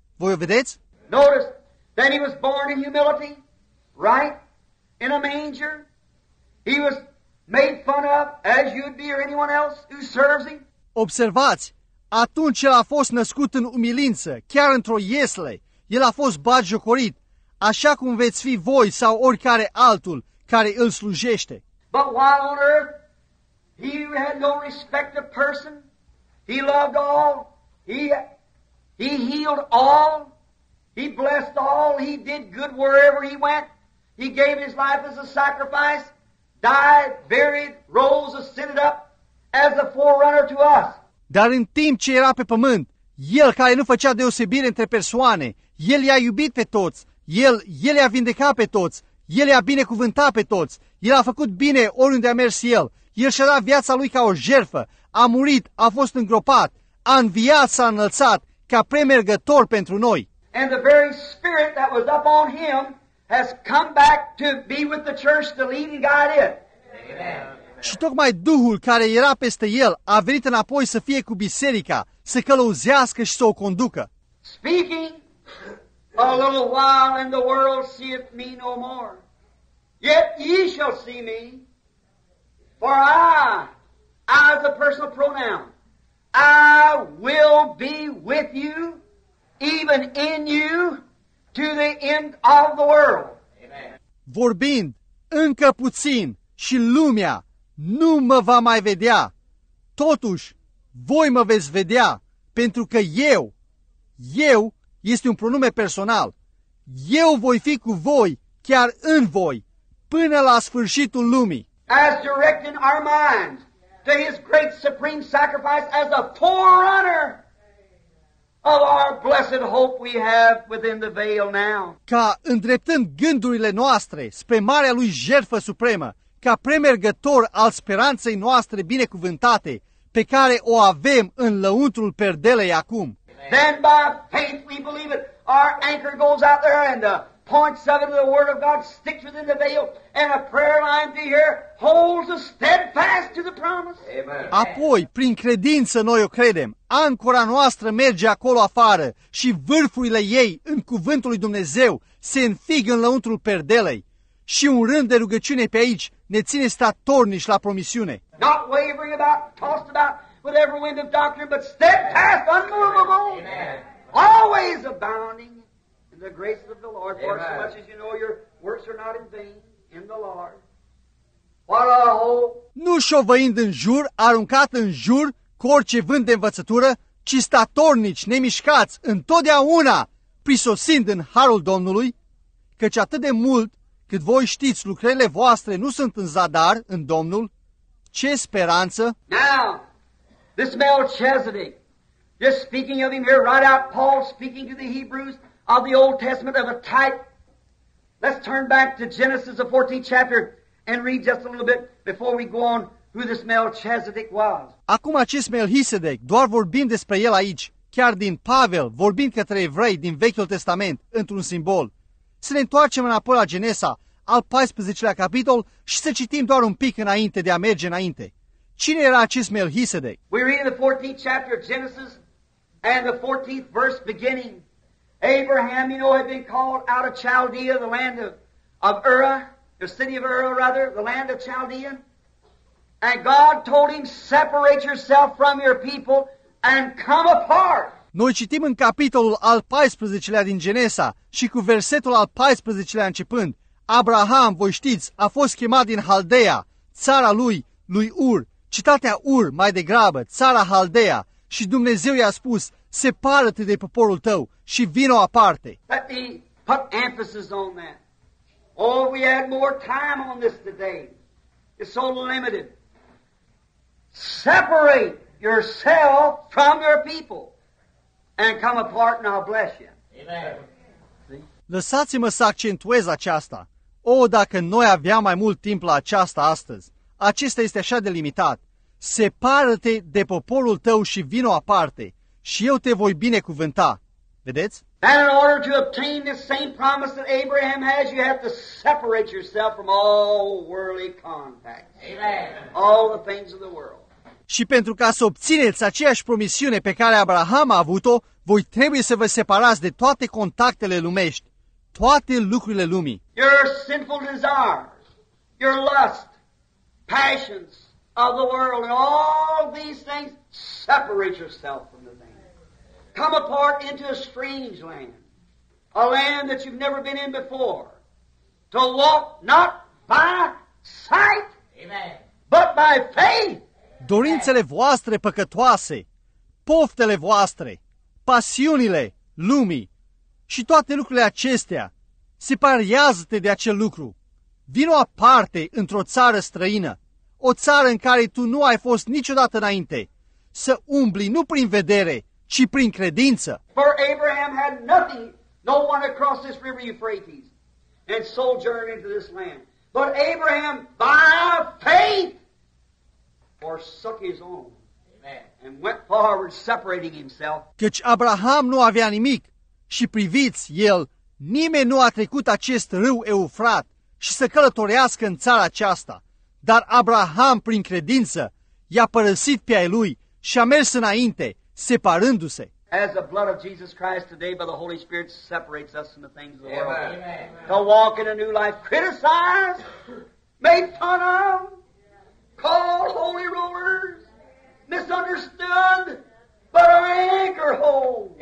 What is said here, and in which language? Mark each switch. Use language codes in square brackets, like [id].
[ro] Voi o vedeți? [en] Notice that he was born in humility, right? In a manger. He was made fun of as you'd be or anyone else who serves him. [ro] Observați, atunci el a fost născut în umilință, chiar într-o iesle. El a fost batjocorit, așa cum veți fi voi sau oricare altul care îl slujește. [en] But while on earth, he had no respect of person. He loved all. He healed all. He blessed all. He did good wherever he went. He gave his life as a sacrifice. Died, buried, rose, ascended up as a forerunner to us. [ro] Dar în timp ce era pe pământ, el care nu făcea deosebire între persoane, el i-a iubit pe toți, el i-a vindecat pe toți, el i-a binecuvântat pe toți, el a făcut bine oriunde a mers el, el și-a dat viața lui ca o jertfă, a murit, a fost îngropat, a înviat, s-a înălțat ca premergător pentru noi. [en] And the very spirit that was up on him has come back to be with the church to lead and guide it. Amen. [ro] Și tocmai Duhul care era peste el a venit înapoi să fie cu biserica, să călăuzească și să o conducă. [en] Speaking a little while and the world seeth me no more. Yet ye shall see me, for I as a personal pronoun, I will be with you, even in you, to the end of the world. Amen. [ro] Vorbind încă puțin și lumea nu mă va mai vedea, totuși voi mă veți vedea, pentru că eu este un pronume personal, eu voi fi cu voi, chiar în voi, până la sfârșitul lumii. [en] As directing our minds to his great supreme sacrifice as a forerunner of our blessed hope we have within the veil now. [ro] Ca îndreptând gândurile noastre spre marea lui jertfă supremă, ca premergător al speranței noastre binecuvântate pe care o avem în lăuntrul perdelei acum. [en] Then by faith we believe it. Our anchor goes out there and the points of it, the word of God sticks within the veil and a prayer line to here holds us steadfast to the promise. Amen. [ro] Apoi, prin credință noi o credem. Ancora noastră merge acolo afară și vârfurile ei în cuvântul lui Dumnezeu se înfigă în lăuntrul perdelei și un rând de rugăciune pe aici ne ține statornici la promisiune. [en] Not wavering about, tossed about with every wind of doctrine, but steadfast, unmovable, always abounding in the grace of the Lord. For so much as you know your works are not in vain in the Lord. What a hope! [ro] Nu șovăind în jur, aruncat în jur cu orice vânt de învățătură, ci statornici, nemișcați, întotdeauna, prisosind în harul Domnului, căci atât de mult cât voi știți, lucrările voastre nu sunt în zadar, în Domnul, ce speranță! [en] Now, this Melchizedek, just speaking of him here, right out Paul speaking to the Hebrews of the Old Testament of a type. Let's turn back to Genesis, the 14th chapter, and read just a little bit before we go on who this Melchizedek was. [ro] Acum acest Melchizedek, doar vorbind despre el aici, chiar din Pavel, vorbind către evrei din Vechiul Testament, într-un simbol. Să ne întoarcem înapoi la Genesa, al 14-lea capitol, și să citim doar un pic înainte de a merge înainte. Cine era acest Melchizedek? [en] We read the 14th chapter of Genesis and the 14th verse beginning. Abraham, you know, had been called out of Chaldea, the land of Ur, the city of Ur, rather, the land of Chaldea. And God told him, separate yourself from your people and come apart. [ro] Noi citim în capitolul al 14-lea din Genesa și cu versetul al 14-lea începând, Abraham, voi știți, a fost chemat din Haldea, țara lui Ur, citatea Ur, mai degrabă, țara Haldea, și Dumnezeu i-a spus, separă-te de poporul tău și vino aparte. [en] Let me put emphasis on that. Oh, we had more time on this today. It's so limited. Separate yourself from your people. And come apart and I'll bless you. Amen. [ro] Lăsați-mă să accentuez aceasta. O, dacă noi aveam mai mult timp la aceasta astăzi. Acesta este așa de limitat. Separă-te de poporul tău și vino aparte. Și eu te voi binecuvânta. Vedeți? [en] And in order to obtain the same promise that Abraham has, you have to separate yourself from all worldly contacts. Amen. All the things of the world. [ro] Și pentru ca să obțineți aceeași promisiune pe care Abraham a avut-o, voi trebuie să vă separați de toate contactele lumești, toate lucrurile lumii. [en] Your sinful desires, your lust, passions of the world, and all these things, separate yourself from the land. Come apart into a strange land, a land that you've never been in before, to walk not by sight, amen, but by faith. [ro] Dorințele voastre păcătoase, poftele voastre, pasiunile lumii și toate lucrurile acestea, separează-te de acel lucru. Vino aparte într-o țară străină, o țară în care tu nu ai fost niciodată înainte, să umbli nu prin vedere, ci prin credință. [en] For Abraham had nothing, no one across this river Euphrates, and sojourned into this land. But Abraham, by faith, forsook his own, amen, and went forward separating himself. [ro] Căci Abraham nu avea nimic și priviți el, nimeni nu a trecut acest râu Eufrat și să călătorească în țara aceasta. Dar Abraham, prin credință, i-a părăsit pe ai lui și a mers înainte, separându-se. [en] As the blood of Jesus Christ today by the Holy Spirit separates us from the things of the world. Amen. To walk in a new life, criticized, made fun of, called holy rollers, misunderstood, but our anchor hold.